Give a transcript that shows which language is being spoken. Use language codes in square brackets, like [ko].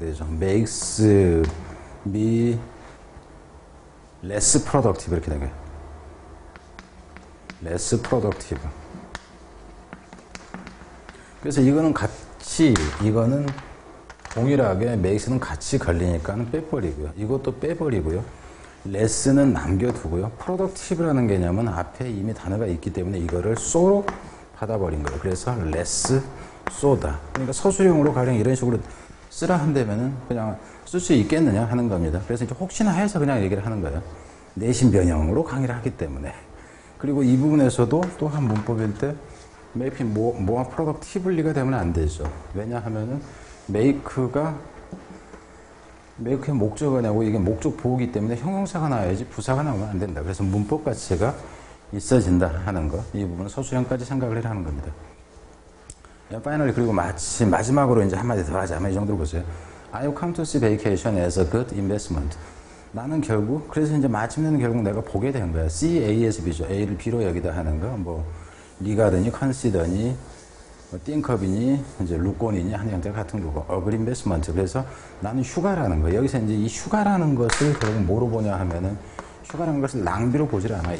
[en] makes me less productive [ko] 이렇게 되게 [en] less productive. [ko] 그래서 이거는 같이 이거는 동일하게 makes는 같이 걸리니까 빼버리고요. 이것도 빼버리고요. less는 남겨두고요. productive라는 개념은 앞에 이미 단어가 있기 때문에 이거를 so로 받아버린 거예요. 그래서 less so다. 그러니까 서술형으로 가령 이런 식으로 쓰라 한다면은 그냥 쓸 수 있겠느냐 하는 겁니다. 그래서 이제 혹시나 해서 그냥 얘기를 하는 거예요. 내신 변형으로 강의를 하기 때문에. 그리고 이 부분에서도 또한 문법일 때 [en] make more productively [ko] 가 되면 안 되죠. 왜냐하면은 make의 목적은 아니고 이게 목적 보호기 때문에 형용사가 나와야지 부사가 나오면 안 된다. 그래서 문법 가치가 있어진다 하는 거. 이 부분은 서술형까지 생각을 해라 하는 겁니다. 자, 파이널리 그리고 마지막으로 이제 한마디 더 하자면 이 정도로 보세요. [en] I come to see vacation as a good investment. [ko] 나는 결국 그래서 이제 마침내는 결국 내가 보게 된 거야. CASB죠. A를 B로 여기다 하는 거. 뭐 리가드니 컨시더니 띵커비니 이제 루콘이니 하는 형태 같은 거고 [en] a good investment. [ko] 그래서 나는 휴가라는 거. 여기서 이제 이 휴가라는 것을 결국 뭐로 보냐 하면은 휴가라는 것을 낭비로 보질 않아요.